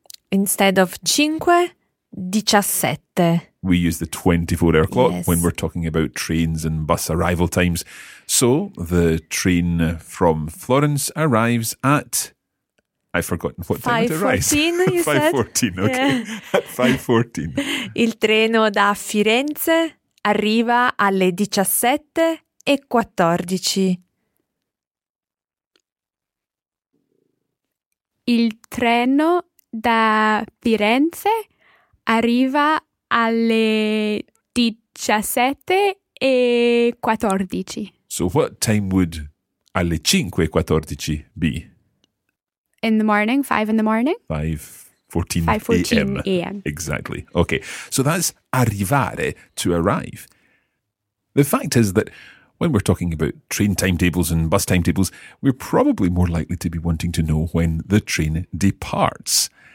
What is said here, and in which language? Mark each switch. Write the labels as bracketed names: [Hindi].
[English] Instead of 5:17. We use the 24-hour clock when we're talking about trains and bus arrival times. So, the train from Florence arrives at... I've forgotten what time it arrives. 5:14, you said? 5:14, okay. Yeah. [Italian] Il treno da Firenze arriva alle 17:14. Il treno da Firenze arriva alle 17:14. [English] So what time would alle 5:14 be? In the morning, 5 in the morning? 5:14 a.m. Exactly. Okay, so that's arrivare, to arrive. The fact is that when we're talking about train timetables and bus timetables, we're probably more likely to be wanting to know when the train departs.